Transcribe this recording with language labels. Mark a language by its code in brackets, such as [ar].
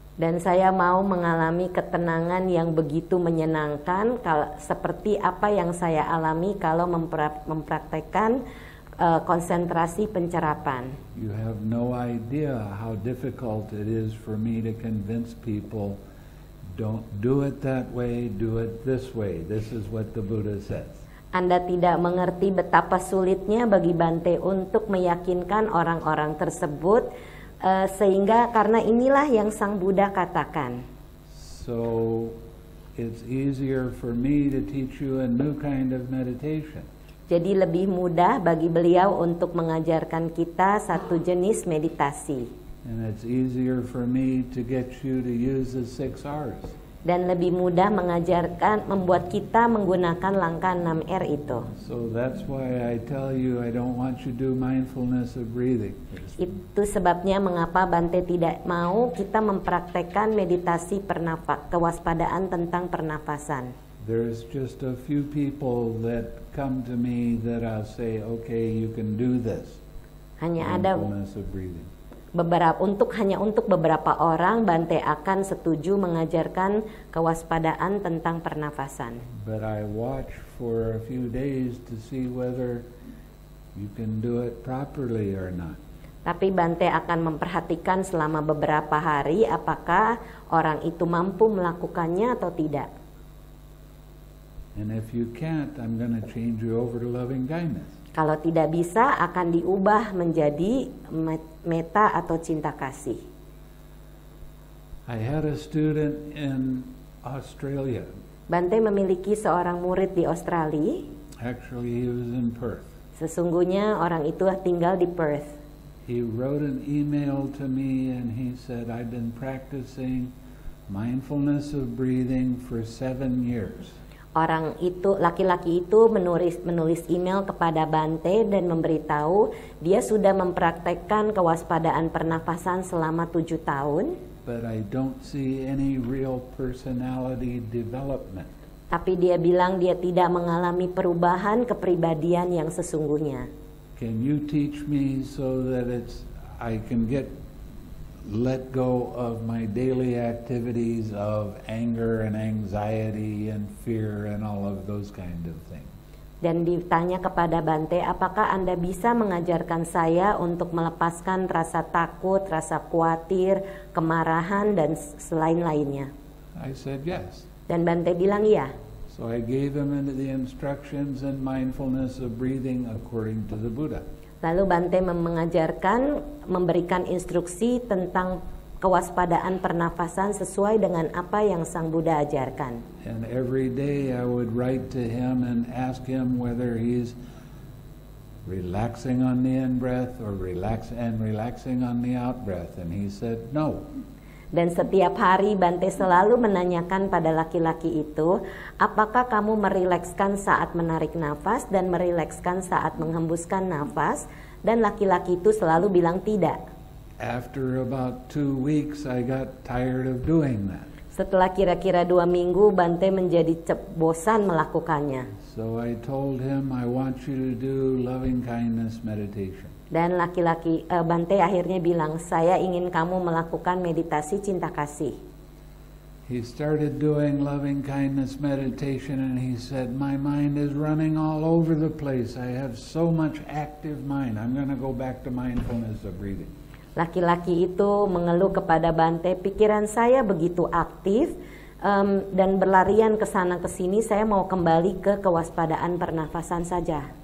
[id] Dan saya mau mengalami ketenangan yang begitu menyenangkan seperti apa yang saya alami kalau mempraktikkan konsentrasi pencerapan. [en] You have no idea how difficult it is for me to convince people, don't do it that way, do it this way. This is what the Buddha says. [id] Anda tidak mengerti betapa sulitnya bagi Bante untuk meyakinkan orang-orang tersebut, sehingga karena inilah yang Sang Buddha katakan. [en] So it's easier for me to teach you a new kind of meditation. [id] Jadi lebih mudah bagi beliau untuk mengajarkan kita satu jenis meditasi. [en] And it's easier for me to get you to use the 6 R's. [id] Dan lebih mudah mengajarkan, membuat kita menggunakan langkah 6 R itu. [en] So that's why I tell you I don't want you to do mindfulness of breathing. [id] Itu sebabnya mengapa Bante tidak mau kita mempraktekkan meditasi kewaspadaan tentang pernafasan. [en] There's just a few people that come to me that I say, okay, you can do this. [id] Hanya ada beberapa, untuk beberapa orang, Bante akan setuju mengajarkan kewaspadaan tentang pernafasan. [en] But I watch for a few days to see whether you can do it properly or not. [id] Tapi Bante akan memperhatikan selama beberapa hari apakah orang itu mampu melakukannya atau tidak. [en] And if you can't, I'm going to change you over to loving kindness. [id] Kalau tidak bisa, akan diubah menjadi metta atau cinta kasih. [en] I had a student in Australia. [id] Bante memiliki seorang murid di Australia. [en] Actually, he was in Perth. [id] Sesungguhnya orang itu tinggal di Perth. [en] He wrote an email to me and he said, I've been practicing mindfulness of breathing for 7 years. [id] Orang itu, laki-laki itu menulis email kepada Bante dan memberitahu dia sudah mempraktekkan kewaspadaan pernafasan selama 7 tahun. [en] But I don't see any real personality development. [id] Tapi dia bilang dia tidak mengalami perubahan kepribadian yang sesungguhnya. [en] Can you teach me so that it's I can get let go of my daily activities of anger and anxiety and fear and all of those kind of things. [id] Dan ditanya kepada Bante, apakah Anda bisa mengajarkan saya untuk melepaskan rasa takut, rasa khawatir, kemarahan, dan selain lainnya? [en] I said yes. [id] Dan Bante bilang iya. [en] So I gave him the instructions and mindfulness of breathing according to the Buddha. [id] Lalu Bante memberikan instruksi tentang kewaspadaan pernafasan sesuai dengan apa yang Sang Buddha ajarkan. [en] And every day I would write to him and ask him whether he's relaxing on the in-breath or relaxing on the out-breath, and he said no. [id] Dan setiap hari Bante selalu menanyakan pada laki-laki itu, apakah kamu merilekskan saat menarik nafas dan merilekskan saat menghembuskan nafas? Dan laki-laki itu selalu bilang tidak. [en] After about 2 weeks, I got tired of doing that. [id] Setelah kira-kira dua minggu, Bante menjadi bosan melakukannya. [en] So I told him, I want you to do loving kindness meditation. [id] Dan laki-laki Bante akhirnya bilang, saya ingin kamu melakukan meditasi cinta kasih. [en] He started doing loving kindness meditation and he said, my mind is running all over the place. I have so much active mind. I'm going to go back to mindfulness of breathing. [id] Laki-laki itu mengeluh kepada Bante, pikiran saya begitu aktif dan berlarian ke sana ke sini, saya mau kembali ke kewaspadaan pernafasan saja.